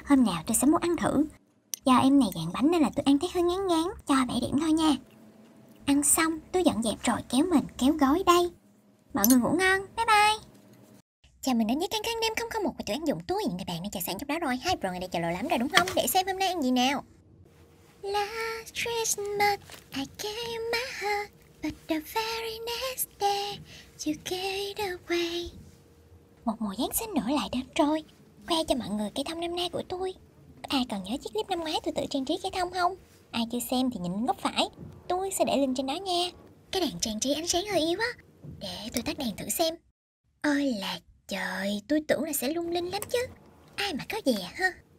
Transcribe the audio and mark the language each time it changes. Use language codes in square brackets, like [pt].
[vi] Hôm nào tôi sẽ mua ăn thử. Do em này dạng bánh nên là tôi ăn thấy hơi ngán ngán. Cho 7 điểm thôi nha. Ăn xong, tôi dọn dẹp rồi kéo mền kéo gối đây. Mọi người ngủ ngon, bye bye. Chào mình đến với Căng Căng Đêm 001 của tụi ăn dụng túi. Người bạn đã chờ sẵn trong đó rồi. Hai bro này đã chờ lâu lắm rồi đúng không? Để xem hôm nay ăn gì nào. [en] Last Christmas I gave you my heart, but the very next day you gave it away. [vi] Một mùa Giáng sinh nữa lại đến rồi. Khoe cho mọi người cây thông năm nay của tôi. Ai còn nhớ chiếc clip năm ngoái tôi tự trang trí cây thông không? Ai chưa xem thì nhìn góc phải, tôi sẽ để link trên đó nha. Cái đèn trang trí ánh sáng hơi yếu á. Để tôi tắt đèn thử xem. Ôi là trời, tôi tưởng là sẽ lung linh lắm chứ. Ai mà có dè ha.